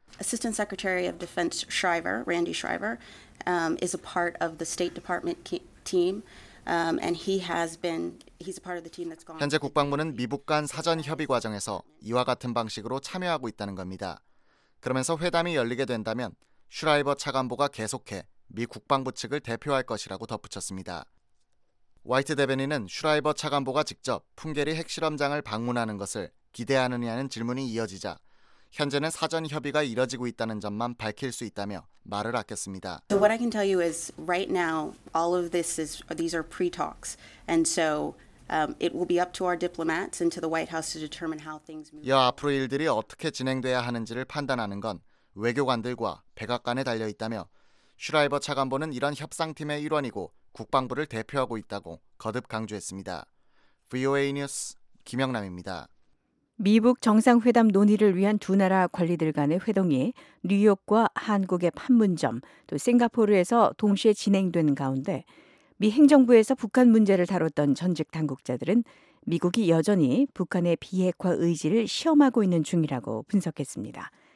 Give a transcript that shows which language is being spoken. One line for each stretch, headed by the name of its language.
English: Assistant Secretary of Defense Shriver, Randy Shriver, is a part of the State Department team, and he's a part of the team that's gone.
Korean: 현재 국방부는 미북 간 사전 협의 과정에서 이와 같은 방식으로 참여하고 있다는 겁니다. 그러면서 회담이 열리게 된다면 슈라이버 차관보가 계속해 미 국방부 측을 대표할 것이라고 덧붙였습니다. 화이트 대변인은 슈라이버 차관보가 직접 풍계리 핵실험장을 방문하는 것을 기대하느냐는 질문이 이어지자 현재는 사전 협의가 이뤄지고 있다는 점만 밝힐 수 있다며 말을 아꼈습니다.
English: So what I can tell you is right now all of this is these are pre-talks and so it will be up to our diplomats and to the White House to determine how things move.
Korean: 이어 앞으로 일들이 어떻게 진행돼야 하는지를 판단하는 건 외교관들과 백악관에 달려 있다며 슈라이버 차관보는 이런 협상팀의 일원이고 국방부를 대표하고 있다고 거듭 강조했습니다. VOA 뉴스 김영남입니다. 미북 정상회담 논의를 위한 두 나라 관리들 간의 회동이 뉴욕과 한국의 판문점, 또 싱가포르에서 동시에 진행된 가운데 미 행정부에서 북한 문제를 다뤘던 전직 당국자들은 미국이 여전히 북한의 비핵화 의지를 시험하고 있는 중이라고 분석했습니다.